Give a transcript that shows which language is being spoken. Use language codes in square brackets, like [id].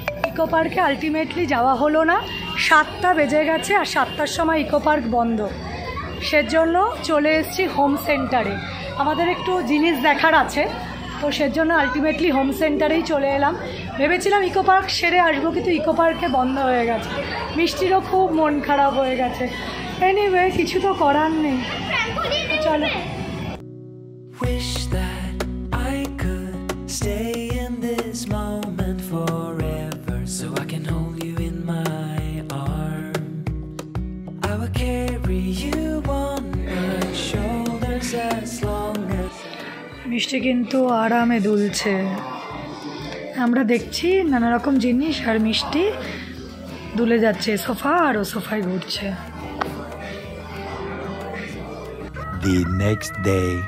[bn] Eco পার্কে ultimately যাওয়া হলো না, সাতটা বেজে গেছে আর সাতটার সময় ইকো পার্ক বন্ধ, সেজন্য চলে এসেছি হোম সেন্টারে। আমাদের একটু জিনিস দেখার আছে তো সেজন্য আলটিমেটলি হোম সেন্টারেই চলে এলাম। ভেবেছিলাম ইকো পার্ক সেরে আসবো কিন্তু ইকো পার্কে বন্ধ হয়ে গেছে, মিষ্টিরও খুব মন খারাপ হয়ে গেছে। এনিওয়ে কিছু তো করার নেই, চলো। [en] Wish that I could stay in this moment forever, so I can hold you in my arm. I will carry you on my shoulders as long as... [bn] মিষ্টি কিন্তু আরামে দুলছে, আমরা দেখছি নানা রকম জিনিস আর মিষ্টি দুলে যাচ্ছে সোফা আর সোফায় ঘুরছে। [en] the next day,